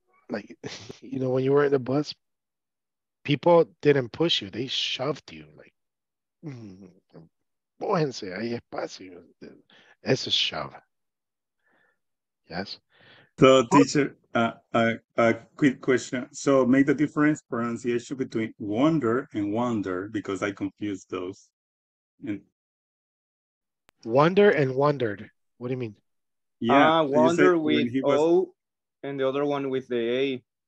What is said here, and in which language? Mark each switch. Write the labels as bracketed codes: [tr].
[en] Like, you know, when you were in the bus, people didn't push you. They shoved you. [es] Like, empújense, hay espacio. [en] It's a shove. Yes. So, teacher, a quick question. So, make the difference pronunciation between wonder and wonder, because I confused those. And wonder and wondered. What do you mean? Yeah, wonder with O and the other one with the A.